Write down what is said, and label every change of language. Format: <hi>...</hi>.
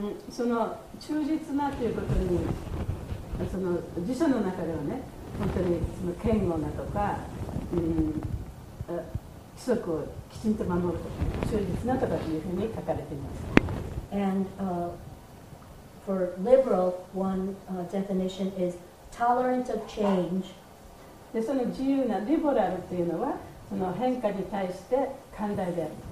<ja>その忠実なということに、その辞書の中ではね、本当にその堅固なとか、規則をきちんと守るとか、忠実なとかというふうに書かれています。</ja> <en>And for liberal, one definition is tolerant of change.</en> <ja>で、その自由な、リベラルというのは、その変化に対して寛大である。</ja>